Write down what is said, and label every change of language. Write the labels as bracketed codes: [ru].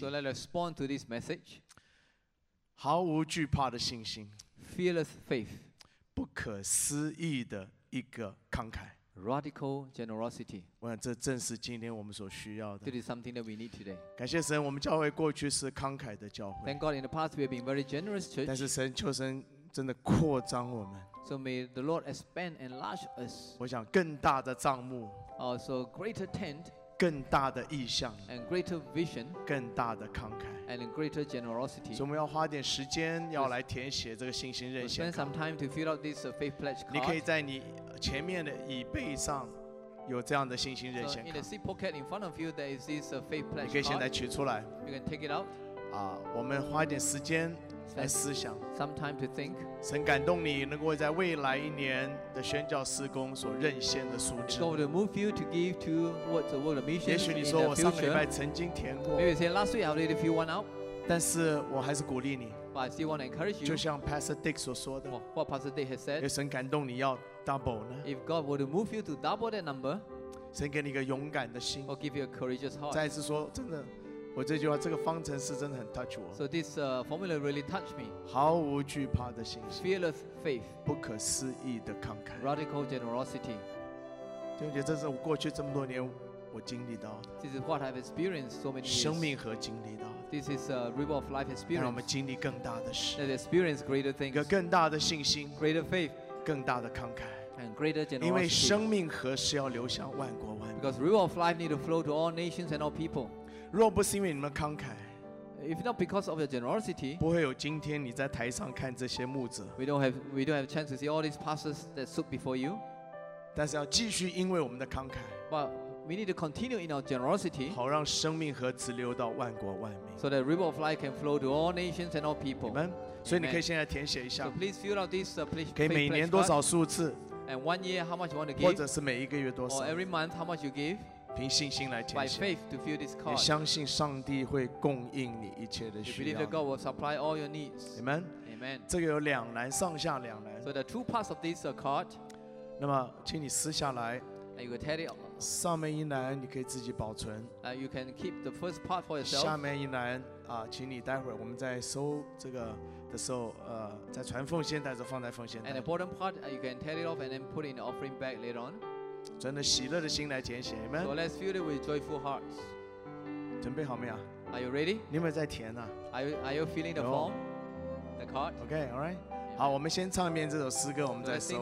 [en] So let's respond to this message. [zh] 毫无惧怕的信心。 [en] Fearless faith. [zh] 不可思议的一个慷慨。 [en] Radical generosity. [zh] 我想这正是今天我们所需要的。 [en] This is something that we need today. [zh] 感谢神，我们教会过去是慷慨的教会。 [en] Thank God, in the past we have been very generous church. [zh] 但是神，求神。真的扩张我们。 [en] So may the Lord expand and enlarge us. [zh] 我想更大的帐幕。 [en] So greater tent. [zh] 更大的意象。 [en] And greater vision. [zh] 更大的慷慨。 [en] And greater generosity. [zh] 所以我们要花点时间，要来填写这个信心任性。 [en] Spend some time to fill out this faith pledge card. [zh] 你可以在你前面的椅背上。有这样的信心任性卡。 [en] So in the seat pocket in front of you, there is this faith pledge card. [zh] 你可以现在取出来。 [en] You can take it out. [zh] 我们花一点时间来思想。 [en] Some time to think. [zh] 神感动你能够在未来一年的宣教施工所任先的数字。 [en] God will move you to give to what the world mission. [zh] 也许你说我上个礼拜曾经填过。 [en] Maybe say last week I already filled one out. [zh] 但是我还是鼓励你。 [en] But I still want to encourage you. [zh] 就像 Pastor Dick 所说的。 [en] What Pastor Dick has said. [zh] 也神感动你要。 [en] Double, if God were to move you to double that number, [zh] 神给你一个勇敢的心 [en] or give you a courageous heart. [zh] 再次说，真的，我这句话，这个方程式真的很 touch 我。 [en] So this formula really touched me. [zh] 毫无惧怕的信心 [en] fearless faith, [zh] 不可思议的慷慨 [en] radical generosity. [zh] 弟兄姐，这是我过去这么多年我经历到的。 [en] This is what I've experienced so many years. [zh] 生命和经历到。 [en] This is a river of life experience. [zh] 让我们经历更大的事。 [en] Let's experience greater things. [zh] 有更大的信心 [en] greater faith. [zh] 更大的慷慨 [en] and greater generosity. [zh] 因为生命河是要流向万国万民 [en] because river of life need to flow to all nations and all people. [zh] 若不是因为你们慷慨 [en] if not because of your generosity, [zh] 不会有今天你在台上看这些牧者 [en] we don't have chance to see all these pastors that stood before you. [zh] 但是要继续因为我们的慷慨 [en] but we need to continue in our generosity. 好让生命河直流到万国万民 so that river of life can flow to all nations and all people. Amen. [zh] 所以你可以现在填写一下 [en] so please fill out this, please, [zh] 给每年多少数字 [en] and one year, how much you want to give, [zh] 或者是每一个月多少 [en] or every month, how much you give, [zh] 凭信心来填写 [en] by faith to fill this card. [zh] 也相信上帝会供应你一切的需要 [en] you believe that God will supply all your needs. Amen. Amen. [zh] 这个有两栏上下两栏 [en] so the two parts of this card [zh] 那么请你撕下来 [en] and you can tear it off. [zh] 上面一栏你可以自己保存 [en] you can keep the first part for yourself. [zh] 下面一栏请你待会儿我们再收这个的时候在传奉献带着放在奉献袋 [en] and the bottom part you can tear it off and then put in the offering bag later on [zh] 真的喜乐的心来填写 Amen [en] so let's fill it with joyful hearts [zh] 准备好没有 [en] are you ready [zh] 你有没有在填啊 [en] are you filling the form the card OK alright [zh] 好我们先唱一遍这首诗歌我们再收